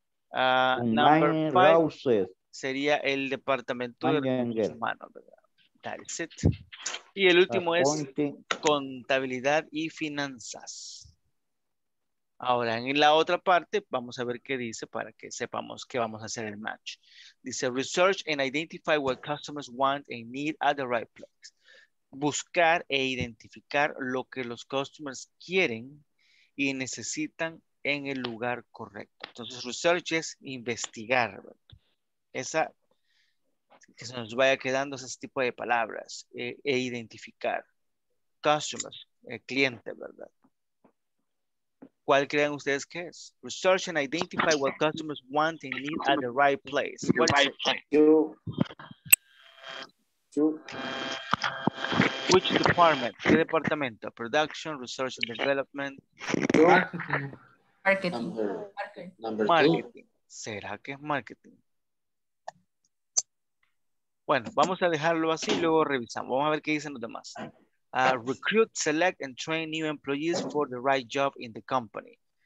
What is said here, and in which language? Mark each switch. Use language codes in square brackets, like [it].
[en] Number five. [es] Houses. Sería el departamento de recursos humanos, ¿verdad? [en] That's it. [es] Y el último es contabilidad y finanzas. Ahora, en la otra parte, vamos a ver qué dice para que sepamos que vamos a hacer el match. Dice, [en] research and identify what customers want and need at the right place. [es] Buscar e identificar lo que los customers quieren y necesitan en el lugar correcto. Entonces, research es investigar, ¿verdad? Esa, que se nos vaya quedando ese tipo de palabras e identificar. Customers, cliente, ¿verdad? ¿Cuál creen ustedes que es? [en] Research and identify what customers want and need at the right place. What is it? Which department? [es] ¿Qué departamento? [en] Production, research and development. Marketing. [es] Marketing. ¿Será que es marketing? Bueno, vamos a dejarlo así y luego revisamos. Vamos a ver qué dicen los demás. [en] Recruit, select and train new employees for the right job in the company.